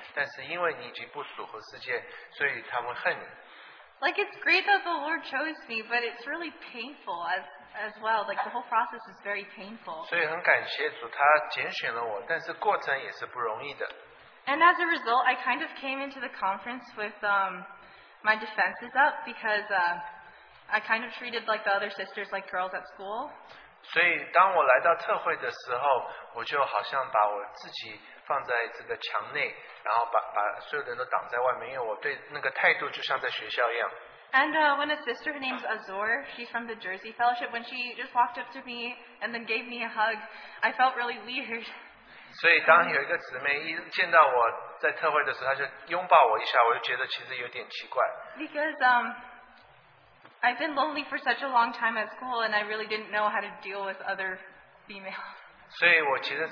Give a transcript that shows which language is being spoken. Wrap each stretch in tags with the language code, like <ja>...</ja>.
<zh>所以在约翰福音15:19那边也说，你如果是属乎世界的话，世界会爱你。但是因为你已经不属乎世界，所以他们恨你。</zh> <en>Like it's great that the Lord chose me, but it's really painful as well. Like the whole process is very painful.</en> <zh>所以很感谢主，他拣选了我，但是过程也是不容易的。</zh> <en>And as a result, I kind of came into the conference with my defenses up because I kind of treated like the other sisters like girls at school.</en> <zh>所以当我来到特会的时候，我就好像把我自己。放在这个墙内，然后把所有的人都挡在外面，因为我对那个态度就像在学校一样。</zh> <en>And when a sister named Azor, she's from the Jersey Fellowship, when she just walked up to me and then gave me a hug, I felt really weird.</en> <zh>所以当有一个姊妹一见到我在特会的时候，她就拥抱我一下，我就觉得其实有点奇怪。</zh> <en>Because I've been lonely for such a long time at school, and I really didn't know how to deal with other females.</en>